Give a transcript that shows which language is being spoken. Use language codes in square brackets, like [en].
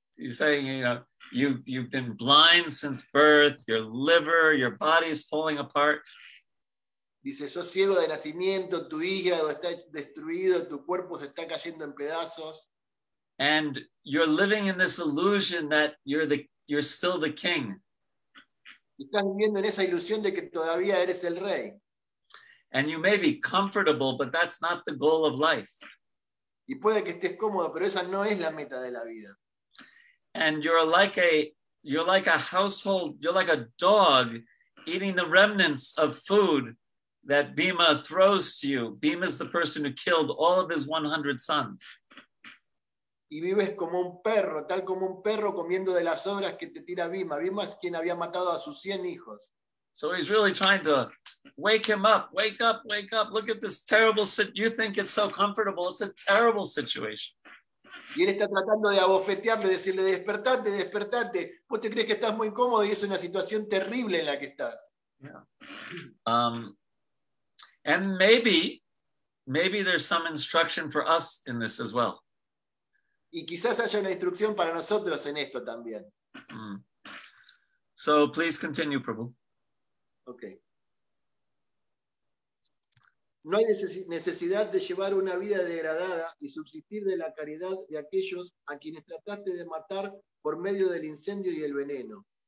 [en] You're saying, you know, you've been blind since birth, your liver, your body is falling apart. [es] Dice, sos ciego de nacimiento, tu hígado está destruido, tu cuerpo se está cayendo en pedazos. [en] And you're living in this illusion that you're still the king. [es] Estás viviendo en esa ilusión de que todavía eres el rey. [en] And you may be comfortable, but that's not the goal of life. [es] Y puede que estés cómodo, pero esa no es la meta de la vida. [en] And you're like a dog eating the remnants of food that Bhima throws to you. Bhima is the person who killed all of his 100 sons. [es] Y vives como un perro, tal como un perro comiendo de las sobras que te tira Bhima. Bhima es quien había matado a sus 100 hijos. [en] So he's really trying to wake him up. Wake up, wake up. Look at this terrible situation. You think it's so comfortable. It's a terrible situation. [es] Y él está tratando de abofetearle, decirle, despertate, despertate. ¿Vos te crees que estás muy cómodo y es una situación terrible en la que estás? [en] Yeah. And maybe there's some instruction for us in this as well. [es] Y quizás haya una instrucción para nosotros en esto también. Mm. [en] So please continue, Prabhu. Okay. [es] No hay necesidad de llevar una vida degradada y subsistir de la caridad de aquellos a quienes trataste de matar por medio del incendio y el veneno.